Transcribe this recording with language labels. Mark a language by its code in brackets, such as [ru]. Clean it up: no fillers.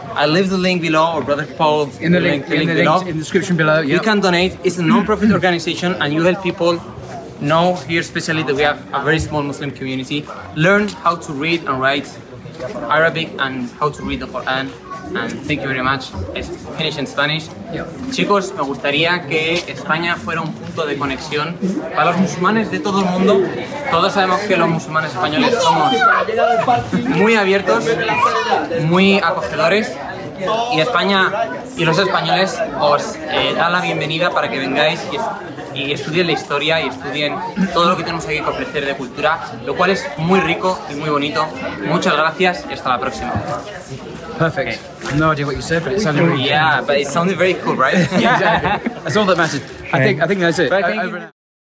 [en] I leave the link below, or Brother Paul, in the description below. Yep. You can donate. It's a non-profit organization and you help people know here, especially that we have a very small Muslim community, learn how to read and write Arabic and how to read the Quran. And thank you very much. It's finished in Spanish. Yep. [es] Chicos, me gustaría que España fuera un punto de conexión para los musulmanes de todo el mundo. Todos sabemos que los musulmanes españoles somos muy abiertos, muy acogedores. Y España y los españoles os dan la bienvenida para que vengáis y estudien la historia y estudien todo lo que tenemos aquí que ofrecer de cultura, lo cual es muy rico y muy bonito. Muchas gracias y hasta la próxima. [en] Perfect. Okay. I have no idea what you said, but it sounded really cool. Yeah, but it sounded very cool, right? Yeah, exactly. That's all that matters. Okay. I think that's it.